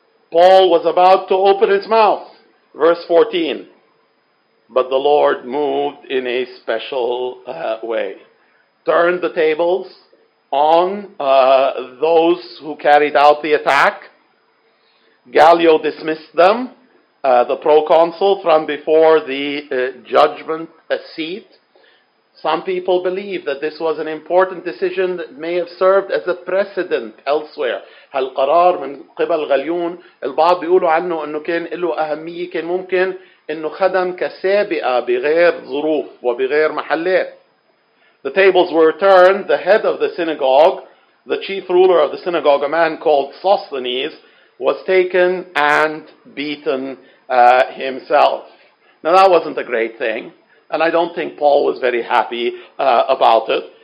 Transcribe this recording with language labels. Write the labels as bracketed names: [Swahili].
[English] Paul was about to open his mouth, verse 14, but the Lord moved in a special way, turned the tables on those who carried out the attack. Gallio dismissed them, the proconsul, from before the judgment seat. Some people believe that this was an important decision that may have served as a precedent elsewhere. [Arabic] هل قرار من قبل غليون البعض بيقولوا عنه انه كان له أهمية كان ممكن انه خدم كسابقة بغير ظروف وبغير محلات. [English] The tables were turned. The head of the synagogue, the chief ruler of the synagogue, a man called Sosthenes, was taken and beaten himself. Now, that wasn't a great thing, and I don't think Paul was very happy about it.